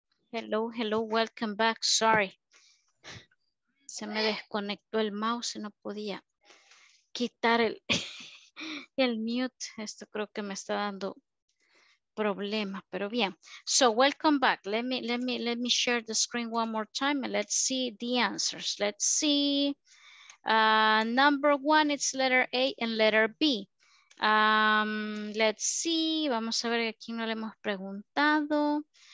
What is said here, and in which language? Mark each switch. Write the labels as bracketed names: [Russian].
[English] Hello, hello, welcome back. Sorry. [Spanish] Se me desconectó el mouse y no podía quitar el mute. Esto creo que me está dando problemas, pero bien. [English] So welcome back. Let me share the screen one more time and let's see the answers. Let's see. Number one, it's letter A and letter B. Let's see. [Spanish] Vamos a ver a quién no le hemos preguntado.